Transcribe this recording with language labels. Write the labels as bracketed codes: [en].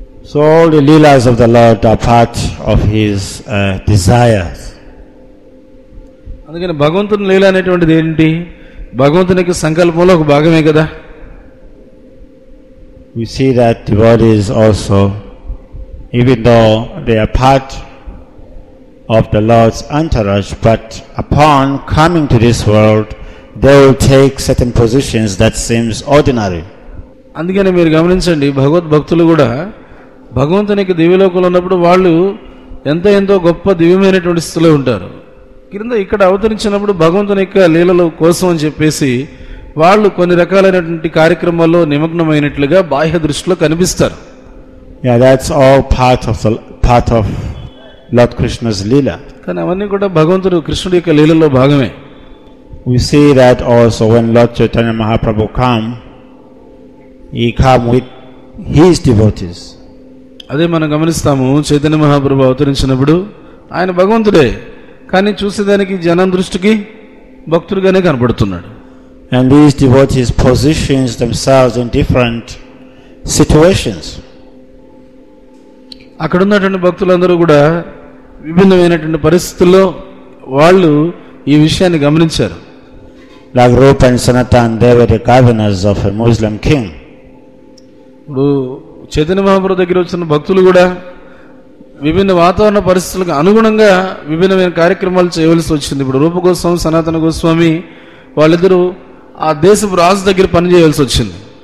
[en] So all the leelas of the Lord are part of his desires. [te] అందుకని భగవంతుని లీల అనేటువంటిది ఏంటి? భగవంతుని యొక్క సంకల్పంలో ఒక భాగమే కదా. [en] We see that devotees also, even though they are part of the Lord's entourage, but upon coming to this world, they will take certain positions that seems ordinary. [te] అందుకని మీరు గమనించండి, భగవద్భక్తులు కూడా భగవంతునికి దివ్యలోకంలో ఉన్నప్పుడు వాళ్ళు ఎంతో గొప్ప దివ్యమైనటువంటి స్థితిలో ఉంటారు. కింద ఇక్కడ అవతరించినప్పుడు భగవంతుని యొక్క లీలల కోసం అని చెప్పేసి వాళ్ళు కొన్ని రకాలైనటువంటి కార్యక్రమాల్లో నిమగ్నమైనట్లుగా బాహ్య దృష్టిలో కనిపిస్తారు. [en] Yeah, that's all part of Lord Krishna's leela. [te] కానీ అవన్నీ కూడా భగవంతుడు కృష్ణుడి యొక్క లీలలో భాగమే. [en] We see that also when Lord Chaitanya Mahaprabhu come with his devotees. [te] అదే మనం గమనిస్తాము, చైతన్య మహాప్రభు అవతరించినప్పుడు ఆయన భగవంతుడే కానీ చూసేదానికి జనం దృష్టికి భక్తుడిగానే కనబడుతున్నాడు. [en] And these devotees positions themselves in different situations. [te] అక్కడ ఉన్నటువంటి భక్తులందరూ కూడా విభిన్నమైనటువంటి పరిస్థితుల్లో వాళ్ళు ఈ విషయాన్ని గమనించారు. [en] Like Rupa and Sanatan, they were the governors of a Muslim king. [te] ఇప్పుడు చైతన్య మహాప్రభు దగ్గర వచ్చిన భక్తులు కూడా విభిన్న వాతావరణ పరిస్థితులకు అనుగుణంగా విభిన్నమైన కార్యక్రమాలు చేయవలసి వచ్చింది. ఇప్పుడు రూప గోస్వామి, సనాతన గోస్వామి వాళ్ళిద్దరూ ఆ దేశపు రాజు దగ్గర పనిచేయవలసి వచ్చింది.